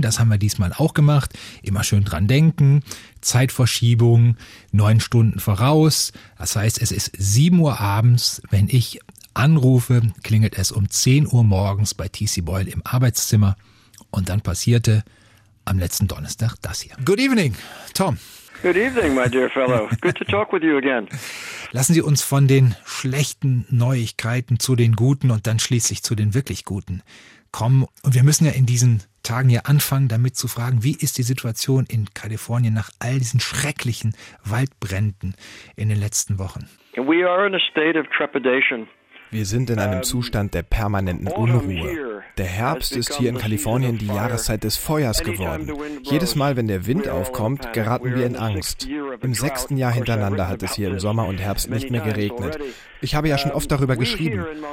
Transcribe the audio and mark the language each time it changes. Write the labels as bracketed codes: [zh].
[de] Das haben wir diesmal auch gemacht. Immer schön dran denken, Zeitverschiebung, 9 Stunden voraus. Das heißt, es ist 7 Uhr abends, wenn ich anrufe, klingelt es um 10 Uhr morgens bei T.C. Boyle im Arbeitszimmer. Und dann passierte am letzten Donnerstag das hier. [en] Good evening, Tom. Good evening, my dear fellow. Good to talk with you again. [de] Lassen Sie uns von den schlechten Neuigkeiten zu den guten und dann schließlich zu den wirklich guten kommen. Und wir müssen ja in diesen Tagen hier anfangen, damit zu fragen, wie ist die Situation in Kalifornien nach all diesen schrecklichen Waldbränden in den letzten Wochen? [en] We are in a state of trepidation. [de] Wir sind in einem Zustand der permanenten Unruhe. Der Herbst ist hier in Kalifornien die Jahreszeit des Feuers geworden. Jedes Mal, wenn der Wind aufkommt, geraten wir in Angst. Im 6. Jahr hintereinander hat es hier im Sommer und Herbst nicht mehr geregnet. Ich habe ja schon oft darüber geschrieben.